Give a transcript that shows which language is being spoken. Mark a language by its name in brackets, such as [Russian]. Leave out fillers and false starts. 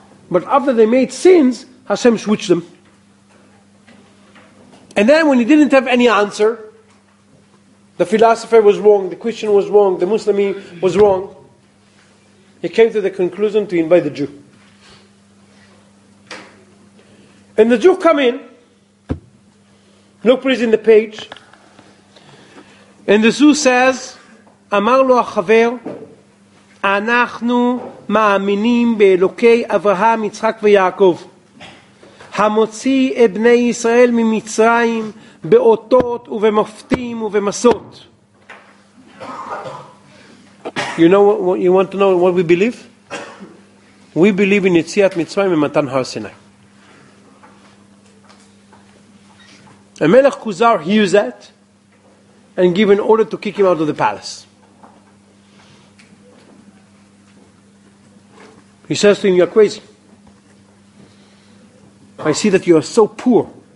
[English] But after they made sins, Hashem switched them. And then when he didn't have any answer, the philosopher was wrong, the Christian was wrong, the Muslim was wrong, he came to the conclusion to invite the Jew. And the Jew come in, look please in the page, and the Jew says, [Hebrew] אמר לו החבר, אנחנו מאמינים באלוקי אברהם, יצחק ויעקב, המוציא את בני ישראל ממצרים באותות ובמופתים ובמסות. [English] You know what you want to know what we believe? We believe in [Hebrew] יציאת מצרים ומתן הר סיני. [English] המלך כוזר hears that and give an order to kick him out of the palace. He says to him, you're crazy. I see that you are so poor.